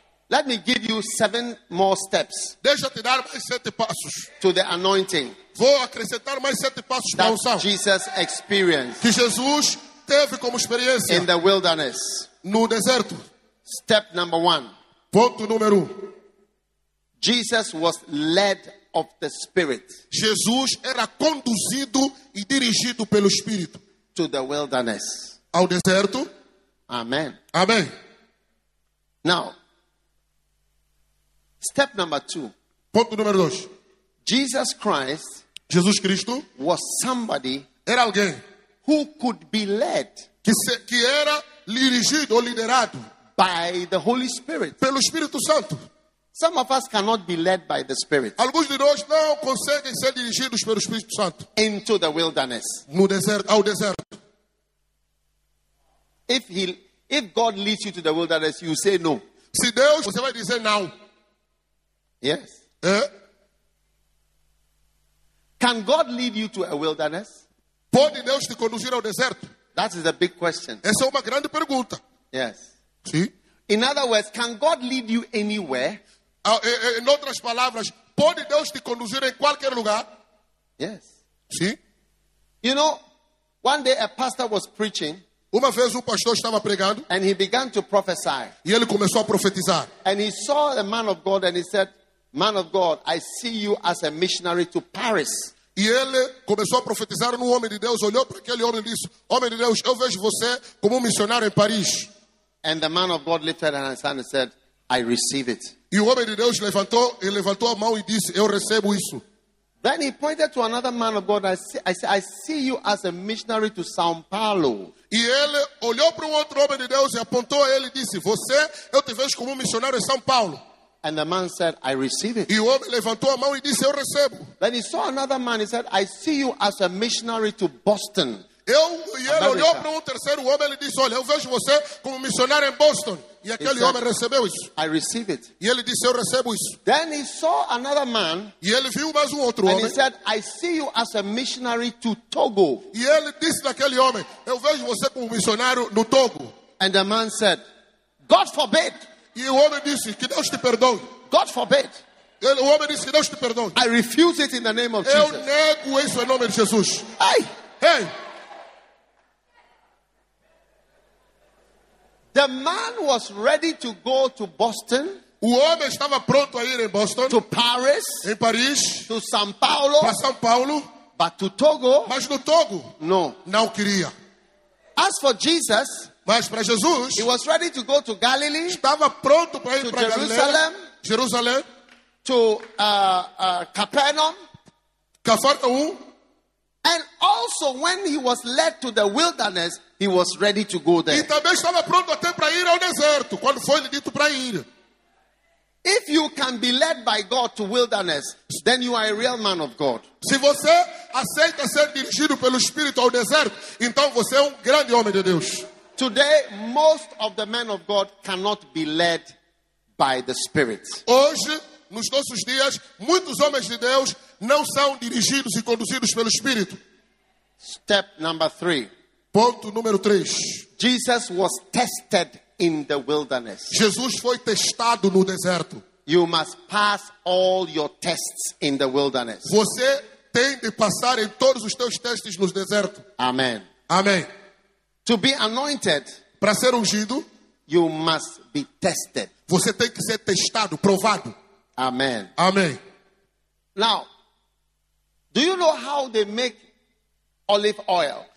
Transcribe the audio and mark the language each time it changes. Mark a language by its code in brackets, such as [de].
[en] Let me give you 7 more steps. [pt] Deixa te dar mais 7 passos. [en] To the anointing. [pt] Vou acrescentar mais 7 passos para a unção. [en] Jesus experienced. [pt] Que Jesus teve como experiência. [en] In the wilderness. [pt] No deserto. [en] Step number one. [pt] Ponto número 1. [en] Jesus was led of the Spirit. [pt] Jesus era conduzido e dirigido pelo Espírito. [en] To the wilderness. [pt] Ao deserto. [en] Amen. [pt] Amém. [en] Now. Step number 2. [pt] Ponto número 2. [en] Jesus Christ, [pt] Jesus Cristo, [en] was somebody, [pt] era alguém, [en] who could be led, [pt] que era dirigido ou liderado, [en] by the Holy Spirit, [pt] pelo Espírito Santo. [en] Some of us cannot be led by the Spirit. [pt] Alguns de nós não conseguem ser dirigidos pelo Espírito Santo. [en] Into the wilderness. [pt] No deserto, ao deserto. [en] If God leads you to the wilderness, you say no. [pt] Se Deus, você vai dizer não. [en] Yes. Eh? Can God lead you to a wilderness? [pt] Pode Deus te conduzir ao deserto? [en] That is a big question. [pt] Essa é uma grande pergunta. [en] Yes. [pt] Sim. [en] In other words, can God lead you anywhere? [pt] Em outras palavras, pode Deus te conduzir em qualquer lugar? [en] Yes. [pt] Sim. [en] You know, one day a pastor was preaching. [pt] Uma vez um pastor estava pregando. [en] And he began to prophesy. [pt] E ele começou a profetizar. [en] And he saw a man of God and he said, "Man of God, I see you as a missionary to Paris." [pt] E ele começou a profetizar no homem de Deus, olhou para aquele homem e disse, "Homem de Deus, eu vejo você como missionário em Paris." [en] And the man of God lifted his hand and said, "I receive it." [pt] E o homem de Deus levantou a mão e disse, "Eu recebo isso." [en] Then he pointed to another man of God. I see you as a missionary to São Paulo. [pt] E ele olhou para um outro homem de Deus e apontou a ele e disse, "Você, eu te vejo como missionário em São Paulo." [en] And the man said, "I receive it." [pt] E o homem levantou a mão e disse, "Eu recebo." [en] Then he saw another man. He said, "I see you as a missionary to Boston." [pt] Ele olhou para um terceiro homem e disse, "Olha, eu vejo você como missionário em Boston." E aquele homem recebeu isso. [en] "I receive it." [pt] E ele disse, "Eu recebo isso." [en] Then he saw another man. [pt] E ele viu mais um outro homem. [en] And he said, "I see you as a missionary to Togo." [pt] E ele disse àquele homem, "Eu vejo você como missionário no Togo." [en] And the man said, "God forbid." [pt] E o homem disse, "Que Deus te perdoe." [en] "God forbid." [pt] O homem disse, "Que Deus te perdoe." [en] "I refuse it in the name of Jesus." [pt] Eu nego isso em nome de Jesus. Ai! Hey! [en] The man was ready to go to Boston. [pt] O homem estava pronto a ir em Boston. [en] To Paris. [pt] Em Paris. [en] To São Paulo. [pt] Para São Paulo. [en] But to Togo. [pt] Mas no Togo. [en] No. [pt] Não queria. [en] As for Jesus. [pt] Mas para Jesus. [en] He was ready to go to Galilee. [pt] Estava pronto para ir [en] to [pt] para Jerusalém. Galileia, Jerusalém. [en] To Capernaum. [pt] Cafarnaum. [en] And also when he was led to the wilderness, he was ready to go there. [pt] E também estava pronto até para ir ao deserto, quando foi lhe dito para ir. [en] If you can be led by God to wilderness, then you are a real man of God. [pt] Se você aceita ser dirigido pelo Espírito ao deserto, então você é grande homem de Deus. [en] Today, most of the men of God cannot be led by the Spirit. [pt] Hoje, nos nossos dias, muitos homens de Deus não são dirigidos e conduzidos pelo Espírito. [en] Step number three. [pt] Ponto número 3. [en] Jesus was tested in the wilderness. [pt] Jesus foi testado no deserto. [en] You must pass all your tests in the wilderness. [pt] Você tem de passar em todos os teus testes no deserto. [en] Amen. [pt] Amém. [en] To be anointed, [pt] para ser ungido, [en] you must be tested. [pt] Você tem que ser testado, provado. [en] Amen. [pt] Amém. [en] Now, do you know how they make olive oil?